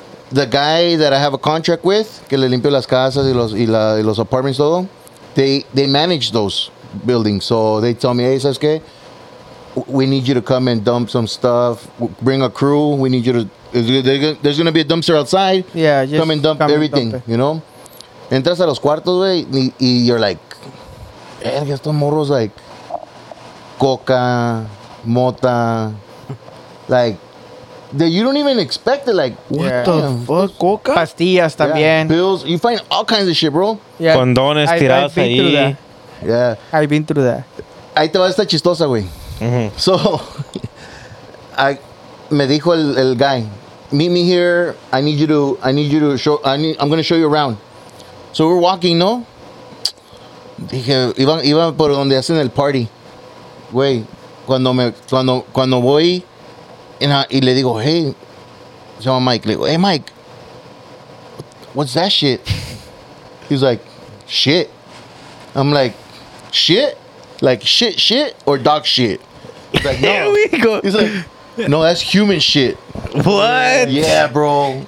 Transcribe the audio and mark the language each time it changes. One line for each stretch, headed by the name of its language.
English: the guy that I have a contract with,
Spanish: que le limpio las casas y los apartments todo,
English: they manage those buildings. So they tell me, hey,
Spanish: ¿sabes qué?
English: We need you to come and dump some stuff. Bring a crew. We need you to... There's going to be a dumpster outside. Yeah, just come and dump come everything, and dump you know?
Spanish: Entras a los cuartos, güey, y
English: you're like...
Spanish: Verga, estos morros, like... Coca, mota... Like...
English: That you don't even expect it, like... What the fuck? Coca?
Spanish: Pastillas también.
English: Yeah, pills. You find all kinds of shit, bro. Yeah.
Spanish: Condones tirados ahí.
English: I've been through that. Yeah. I've been through that.
Spanish: Ahí te va esta chistosa, güey.
English: Mm-hmm. So...
Spanish: Me dijo el
English: guy, meet me here. I need you to show. I'm gonna show you around. So we're walking, no.
Spanish: Dije, iba por donde hacen el party, güey. Cuando voy, y le digo, hey, se llama Mike. Le digo,
English: hey Mike, what's that shit? He's like, shit. I'm like, shit, like shit or dog shit. He's like, no. Here we go. He's like, no, that's human shit. What? Yeah, bro.